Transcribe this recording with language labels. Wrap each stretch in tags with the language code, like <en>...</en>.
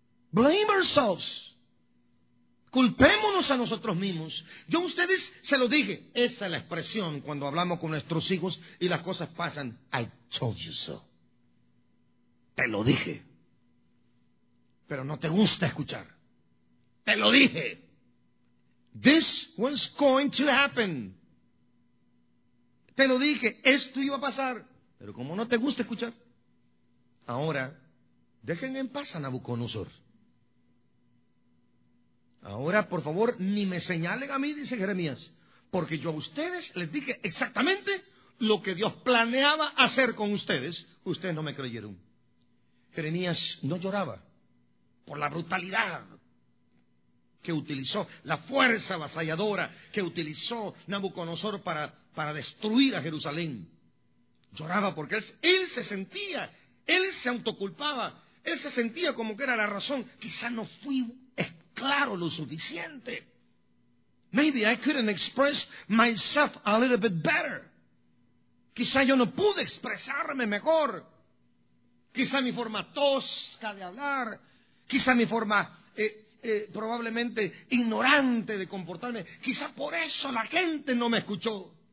<en>Blame ourselves.</en> <es>Culpémonos a nosotros mismos. Yo a ustedes se lo dije. Esa es la expresión cuando hablamos con nuestros hijos y las cosas pasan.</es> <en>I told you so.</en> <es>Te lo dije. Pero no te gusta escuchar. Te lo dije.</es> <en>This was going to happen.</en> <es>Te lo dije. Esto iba a pasar. Pero como no te gusta escuchar, ahora dejen en paz a Nabucodonosor. Ahora, por favor, ni me señalen a mí, dice Jeremías, porque yo a ustedes les dije exactamente lo que Dios planeaba hacer con ustedes. Ustedes no me creyeron. Jeremías no lloraba por la brutalidad que utilizó, la fuerza avasalladora que utilizó Nabucodonosor para destruir a Jerusalén. Lloraba porque él se sentía, él se autoculpaba, él se sentía como que era la razón. Quizá no fui claro lo suficiente.</es> <en>Maybe I couldn't express myself a little bit better.</en> <es>Quizá yo no pude expresarme mejor. Quizá mi forma tosca de hablar, quizá mi forma probablemente ignorante de comportarme, quizá por eso la gente no me escuchó.</es>